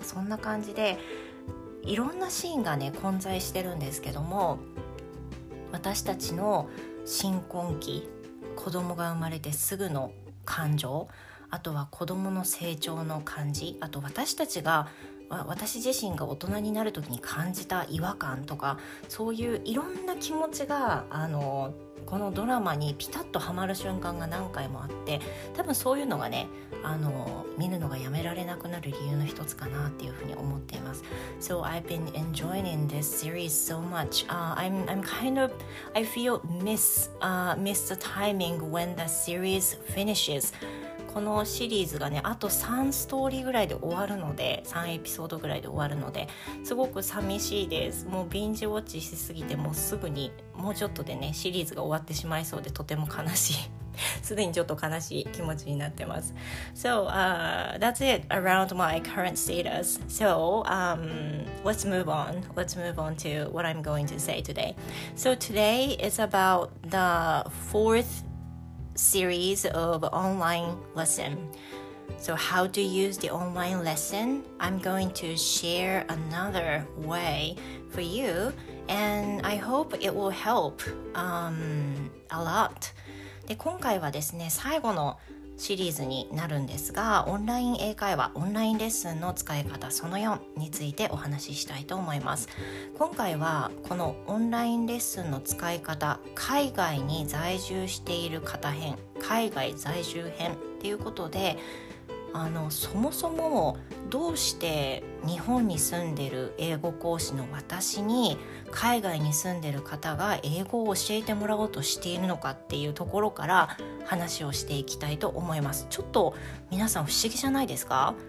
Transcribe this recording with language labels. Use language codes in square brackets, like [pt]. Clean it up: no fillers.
[ja] そんな感じでいろんなシーンがね混在してるんですけども、私たちの新婚期、子供が生まれてすぐの感情、あとは子供の成長の感じ、あと私たちが私自身が大人になる時に感じた違和感とか、そういういろんな気持ちがこのドラマにピタッとハマる瞬間が何回もあって、多分そういうのがね、見るのがやめられなくなる理由の一つかなっていうふうに思っています。 [en] So I've been enjoying this series so much、I'm kind of I feel miss the timing when the series finishes。 [ja] このシリーズがね、あと3ストーリーぐらいで終わるので、3エピソードぐらいで終わるので、すごく寂しいです。もうビンジウォッチしすぎて、もうすぐにもうちょっとでね、シリーズが終わってしまいそうで、とても悲しい。すでにちょっと悲しい気持ちになってます。 [en] So, that's it around my current status. So, let's move on to what I'm going to say today. So today is about the fourth series of online lesson. So how to use the online lesson? I'm going to share another way for you, and I hope it will help a lot. [ja] で、今回はですね、最後のシリーズになるんですが、オンライン英会話、オンラインレッスンの使い方その4についてお話ししたいと思います。今回はこのオンラインレッスンの使い方、海外に在住している方編、海外在住編っていうことで、そもそもどうして日本に住んでる英語講師の私に海外に住んでる方が英語を教えてもらおうとしているのかっていうところから話をしていきたいと思います。ちょっと皆さん不思議じゃないですか？